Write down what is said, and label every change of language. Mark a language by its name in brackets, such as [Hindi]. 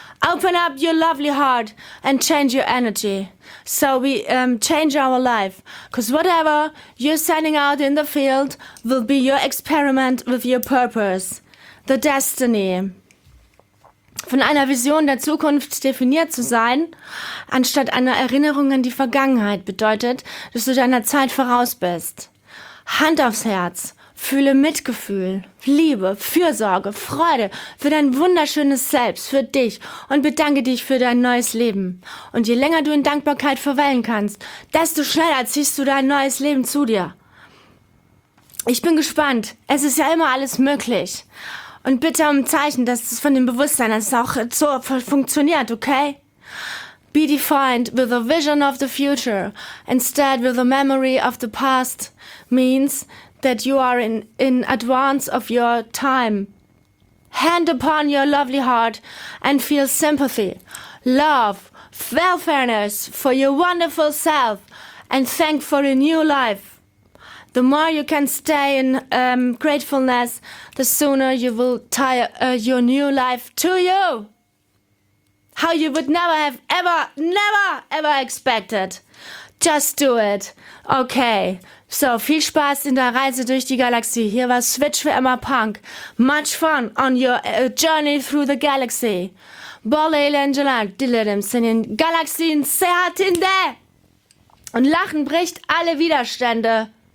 [English] Open up your lovely heart and change your energy. So we change our life. Because whatever you're sending out in the field will be your experiment with your purpose. The destiny. [German] Von einer Vision der Zukunft definiert zu sein, anstatt einer Erinnerung an die Vergangenheit, bedeutet, dass du deiner Zeit voraus bist. Hand aufs Herz. Fühle Mitgefühl, Liebe, Fürsorge, Freude für dein wunderschönes Selbst, für dich und bedanke dich für dein neues Leben. Und je länger du in Dankbarkeit verweilen kannst, desto schneller ziehst du dein neues Leben zu dir. Ich bin gespannt. Es ist ja immer alles möglich. Und bitte um ein Zeichen, dass es von dem Bewusstsein, dass es auch so funktioniert, okay? [English] Be defined with a vision of the future instead with a memory of the past means that you are in advance of your time. Hand upon your lovely heart and feel sympathy. love, welfareness for your wonderful self and thank for a new life. The more you can stay in gratefulness, the sooner you will tie your new life to you. How you would never have ever, never, ever expected. Just do it. Okay. [German] So, viel Spaß in der Reise durch die Galaxie. Hier war Switch für Emma Punk. [English] Much fun on your journey through the galaxy. Bolle Angela, Dilledem, Sinin, Galaxien, Sehatinde. [German] Und Lachen bricht alle Widerstände.